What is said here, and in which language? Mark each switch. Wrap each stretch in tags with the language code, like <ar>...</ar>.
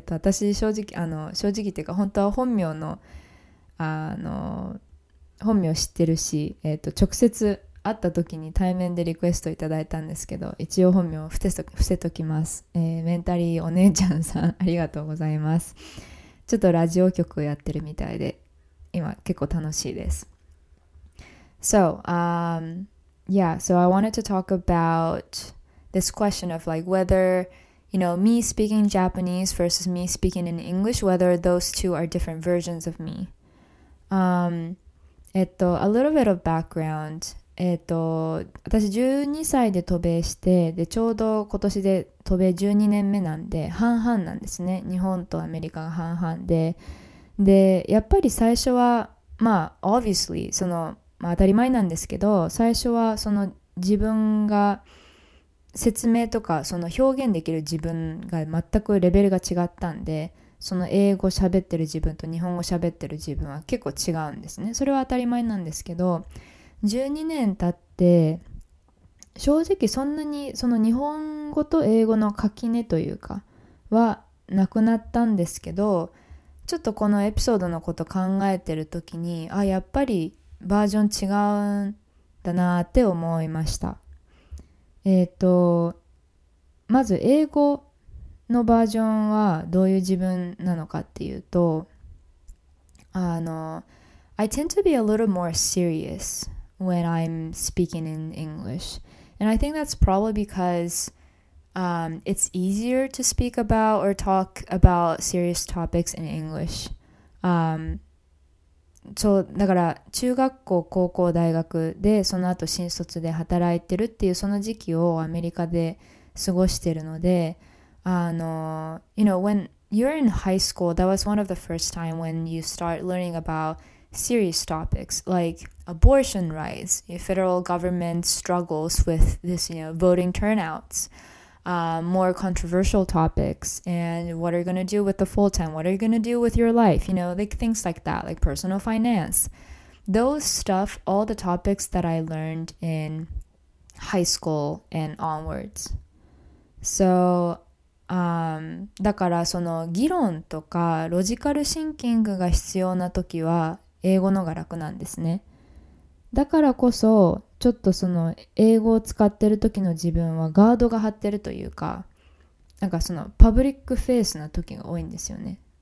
<ja>私正直っていうか、本当は本名の本名知ってるし、直接会った時に対面でリクエストいただいたんですけど、一応本名を伏せときます。メンタリーお姉ちゃんさんありがとうございます。ちょっとラジオ局をやってるみたいで今結構楽しいです。</ja> <en>So I wanted to talk about this question of like whether, you know, me speaking Japanese versus me speaking in English, whether those two are different versions of me. A little bit of background.</en> <ja>私12歳で渡米して、でちょうど今年で渡米12年目なんで、半々なんですね。日本とアメリカが半々で、でやっぱり最初はまあ obviously その、まあ、当たり前なんですけど、最初はその自分が説明とかその表現できる自分が全くレベルが違ったんで、その英語喋ってる自分と日本語喋ってる自分は結構違うんですね。それは当たり前なんですけど、12年経って正直そんなにその日本語と英語の垣根というかはなくなったんですけど、ちょっとこのエピソードのこと考えてる時に、あ、やっぱりバージョン違うんだなって思いました。まず英語のバージョンはどういう自分なのかっていうと、</ja> <en>I tend to be a little more serious when I'm speaking in English. And I think that's probably because it's easier to speak about or talk about serious topics in English.</en> <ja>そう、だから中学校、高校、大学でその後新卒で働いてるっていうその時期をアメリカで過ごしてるので、</ja> <en>you know, when you're in high school, that was one of the first time when you start learning about serious topics like abortion rights, federal government struggles with this, you know, voting turnouts, more controversial topics, and what are you going to do with the full time? What are you going to do with your life? You know, like things like that, like personal finance. Those stuff, all the topics that I learned in high school and onwards. So...</en> <ja>だからその議論とかロジカルシンキングが必要な時は英語のが楽なんですね。だからこそちょっとその英語を使ってる時の自分はガードが張ってるというか、なんかそのパブリックフェイスな時が多いんですよね。</ja>